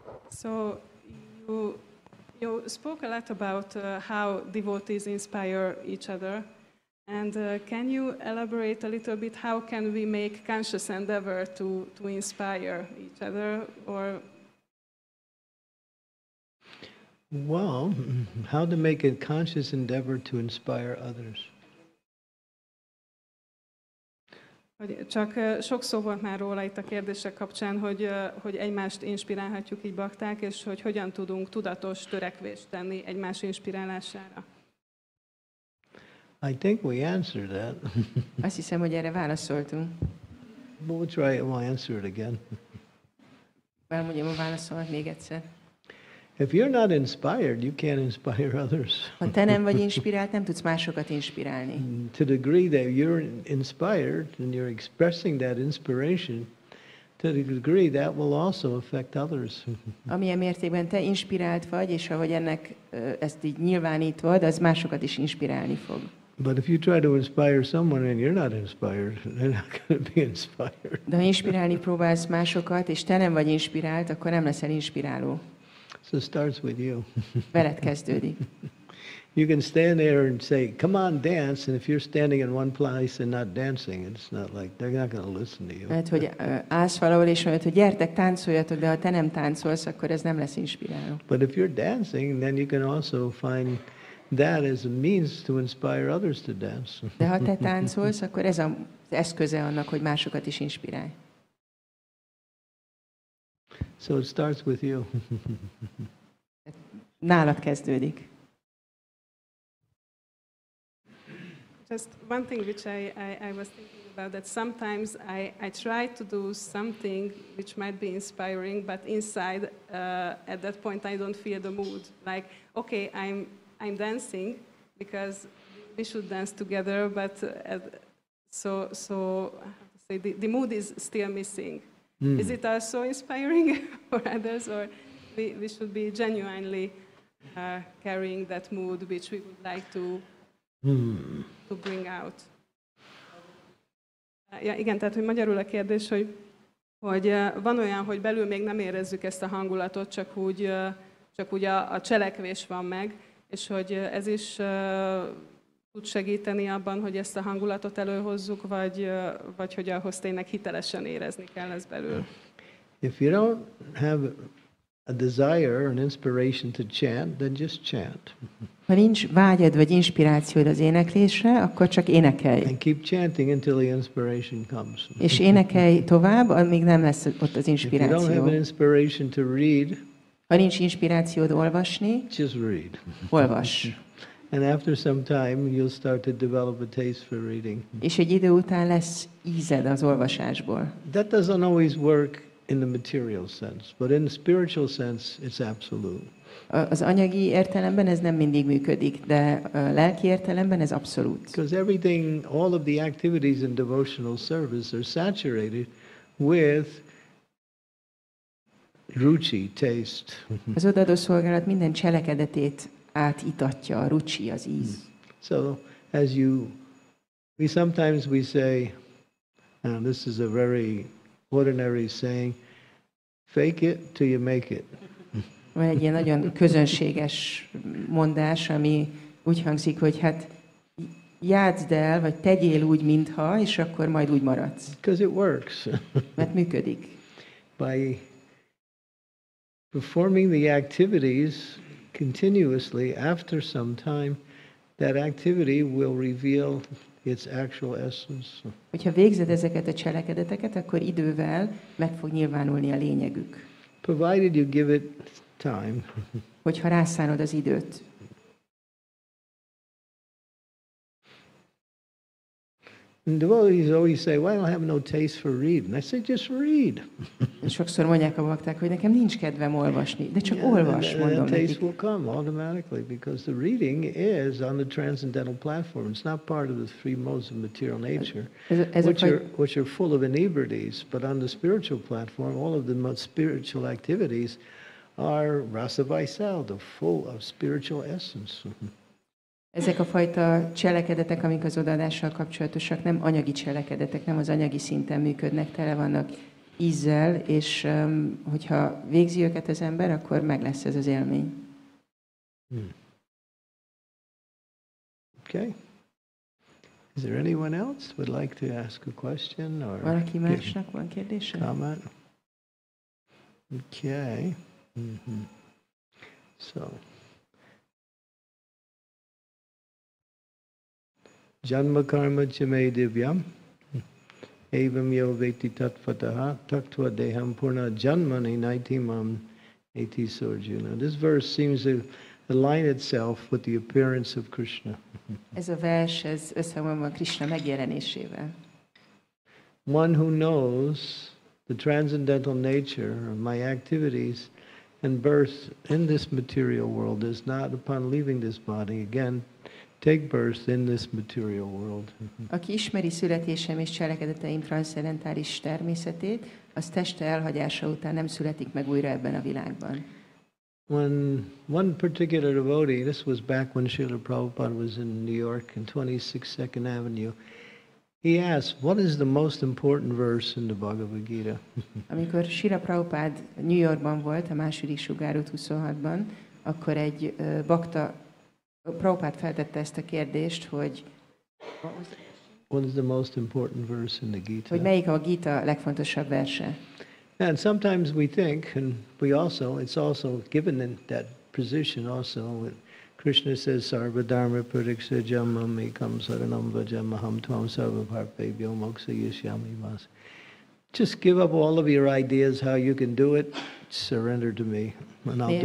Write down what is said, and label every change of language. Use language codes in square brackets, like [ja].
[en] So you spoke a lot about how devotees inspire each other, and can you elaborate a little bit how can we make conscious endeavor to inspire each other? Or well, how to make a conscious endeavor to inspire others? [hu] Csak sokszor volt már róla itt a kérdések kapcsán, hogy, hogy egymást inspirálhatjuk így bakták, és hogy hogyan tudunk tudatos törekvést tenni egymás inspirálására. [en] I think we answered that. [hu] Azt hiszem, hogy erre válaszoltunk. [en] We'll try it, we'll answer it again. [hu] Elmondjam a válaszomat még egyszer. [en] If you're not inspired, you can't inspire others. [hu] Ha te nem vagy inspirált, nem tudsz másokat inspirálni. [en] To the degree that you're inspired and you're expressing that inspiration, to the degree that will also affect others. [hu] Amilyen mértékben te inspirált vagy, és ahogy ennek ezt így nyilvánítod, az másokat is inspirálni fog. [en] But if you try to inspire someone and you're not inspired, they're not going to be inspired. [hu] De ha inspirálni próbálsz másokat, és te nem vagy inspirált, akkor nem leszel inspiráló. [en] So it starts with you. [hu] Veled kezdődik. [en] You can stand there and say, come on, dance, and if you're standing in one place and not dancing, it's not like they're not going to listen to you. [hu] Mert hogy állsz valahol és mondod, hogy gyertek, táncoljatok, de ha te nem táncolsz, akkor ez nem lesz inspiráló. [en] But if you're dancing, then you can also find that is a means to inspire others to dance. [hu] De ha te táncolsz, akkor ez az eszköze annak, hogy másokat is inspirálj. [en] So it starts with you. [hu] Nálad kezdődik. [en] Just one thing which I was thinking about, that sometimes I try to do something which might be inspiring, but inside at that point I don't feel the mood. Like, okay, I'm dancing because we should dance together, but so how to say, the mood is still missing. Mm. Is it also inspiring for others, or we should be genuinely carrying that mood which we would like to bring out? [hu] Igen, tehát hogy magyarul a kérdés, hogy van olyan, hogy belül még nem érezzük ezt a hangulatot, csak úgy a cselekvés van meg. És hogy ez is tud segíteni abban, hogy ezt a hangulatot előhozzuk, vagy hogy ahhoz tényleg hitelesen érezni kell ez belül. [en] If you don't have a desire or an inspiration to chant, then just chant. [hu] Ha nincs vágyad vagy inspirációd az éneklésre, akkor csak énekelj. [en] And keep chanting until the inspiration comes. [hu] És énekelj tovább, amíg nem lesz ott az inspiráció. [en] If you don't have an inspiration to read, [hu] ha nincs inspirációd olvasni, [en] just read. [hu] Olvas. [en] And after some time you'll start to develop a taste for reading. [hu] És egy idő után lesz ízed az olvasásból. [en] That doesn't always work in the material sense, but in the spiritual sense it's absolute. [hu] Az anyagi értelemben ez nem mindig működik, de a lelki értelemben ez abszolút. [en] Because everything, all of the activities in devotional service are saturated with ruchi, taste. [hu] Az odaadó szolgálat minden cselekedetét átitatja, a ruchi, az íz. [en] So, as you, we sometimes we say, and this is a very ordinary saying, fake it till you make it. [hu] Van egy ilyen nagyon közönséges mondás, ami úgy hangzik, hogy hát játszd el, vagy tegyél úgy, mintha, és akkor majd úgy maradsz. [en] Because it works. [hu] Mert működik. [en] By performing the activities continuously, after some time, that activity will reveal its actual essence. [hu] Hogyha végzed ezeket a cselekedeteket, akkor idővel meg fog nyilvánulni a lényegük. [en] Provided you give it time. [hu] Hogyha rászánod az időt. [en] And devotees always say, "Why don't I have no taste for reading?" I say, "Just read." [hu] Sokszor mondják a bakták, hogy nekem nincs kedvem olvasni, de csak olvas, mondom nekik. [en] The taste will come automatically because the reading is on the transcendental platform. It's not part of the three modes of material nature, which are full of inebrities. But on the spiritual platform, all of the most spiritual activities are rasa vaisal, the full of spiritual essence. [hu] Ezek a fajta cselekedetek, amik az odaadással kapcsolatosak, nem anyagi cselekedetek, nem az anyagi szinten működnek, tele vannak ízzel, és hogyha végzi őket az ember, akkor meg lesz ez az élmény. Hmm. [en] Okay. Is there anyone else would like to ask a question or [hu] valaki másnak van kérdése? [en] Comment? Okay. Mm-hmm. [sa] So Janma karma chame divyam evam yo veti tatvataha taktva deham purna janmani naitimam eti sorjuna. [en] This verse seems to align itself with the appearance of Krishna. [hu] Ez a vers, ez összhangban van Krishna megjelenésével. [en] One who knows the transcendental nature of my activities and birth in this material world does not, upon leaving this body again, take birth in this material world. [hu] Aki ismeri születésem és cselekedeteim transzcendentális természetét, az teste elhagyása után nem születik meg újra ebben a világban. [en] When one particular devotee, this was back when Srila Prabhupada was in New York in 26 Second Avenue, he asked, what is the most important verse in the Bhagavad Gita? [hu] Amikor Srila Prabhupada New Yorkban volt, a második sugárút 26-ban, akkor egy bakta, Prabhupada feltette ezt a kérdést, hogy [en] what is the most important verse in the Gita? [hu] Hogy melyik a Gita legfontosabb verse? [en] And sometimes we think, and we also, it's also given in that position also, with Krishna says, [sa] sarva dharma pratiksa jamam ekam saranam vajam aham tvam sarva parpebhyo moksa yishyami vas. [en] Just give up all of your ideas how you can do it, surrender to me, and I'll do it.